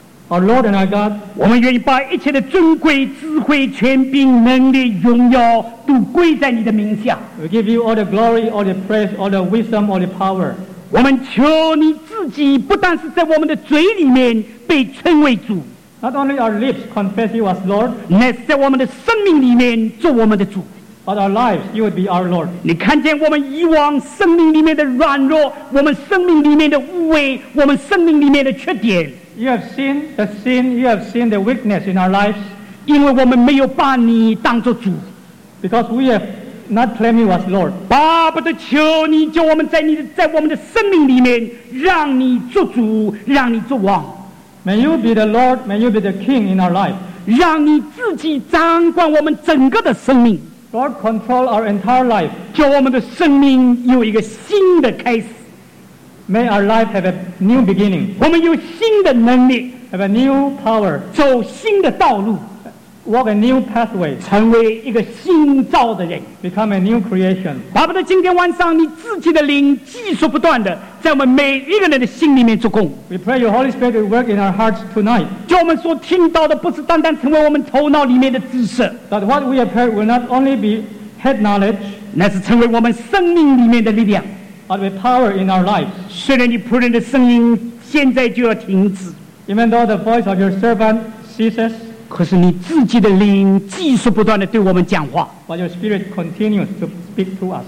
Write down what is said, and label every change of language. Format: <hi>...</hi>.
<en>Our Lord and our God,</en> <zh>我们愿意把一切的尊贵、智慧、权柄、能力、荣耀都归在你的名下。</zh> <en>We give you all the glory, all the praise, all the wisdom, all the power.</en> <zh>我们求你自己不但是在我们的嘴里面被称为主，</zh> <en>not only our lips confess you as Lord,</en> <zh>乃是在我们的生命里面做我们的主。</zh> <en>But our lives, you would be our Lord.</en> <zh>你看见我们以往生命里面的软弱，我们生命里面的污秽，我们生命里面的缺点。</zh> <en>You have seen the sin. You have seen the weakness in our lives.</en> <zh>因为我们没有把你当作主。</zh> <en>Because we have not claimed you as Lord.</en> <zh>巴不得求你叫我们在你的在我们的生命里面，让你做主，让你做王。</zh> <en>May you be the Lord. May you be the King in our life.</en> <zh>让你自己掌管我们整个的生命。</zh> <en>Lord, control our entire life.</en> <zh>叫我们的生命有一个新的开始。</zh> <en>May our life have a new beginning.</en> <zh>我们有新的能力。</zh> <en>Have a new power.</en> <zh>走新的道路。</zh> <en>Walk a new pathway.</en> <zh>成为一个新造的人。</zh> <en>Become a new creation.</en> <zh>巴不得今天晚上你自己的灵继续不断的在我们每一个人的心里面做工。</zh> <en>We pray your Holy Spirit will work in our hearts tonight.</en> <zh>叫我们所听到的不是单单成为我们头脑里面的知识。</zh> <en>That what we have heard will not only be head knowledge.</en> <zh>乃是成为我们生命里面的力量。</zh> <en>But with power in our lives.</en> <zh>虽然你仆人的声音现在就要停止。</zh> <en>Even though the voice of your servant ceases.</en> <zh>可是你自己的灵继续不断地对我们讲话。</zh> <en>But your spirit continues to speak to us.</en>